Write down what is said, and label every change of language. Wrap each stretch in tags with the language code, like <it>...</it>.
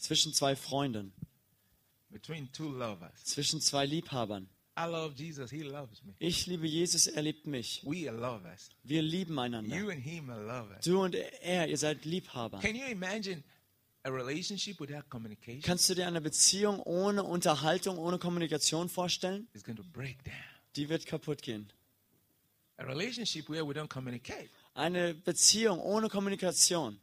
<de>zwischen zwei Freunden,</de> <en>between two lovers,</en> <de>zwischen zwei Liebhabern.</de> <en>I love Jesus, he loves me.</en> <de>Ich liebe Jesus, er liebt mich.</de> <en>We are lovers.</en> <de>Wir lieben einander.</de> <en>You and him are lovers.</en> <de>Du und er, ihr seid Liebhaber.</de> <en>Can you imagine a relationship without communication?</en> <de>Kannst du dir eine Beziehung ohne Unterhaltung, ohne Kommunikation vorstellen?</de> <en>It's going to break down.</en> <de>Die wird kaputt gehen.</de> <en>A relationship where we don't communicate.</en> <de>Eine Beziehung ohne Kommunikation,</de>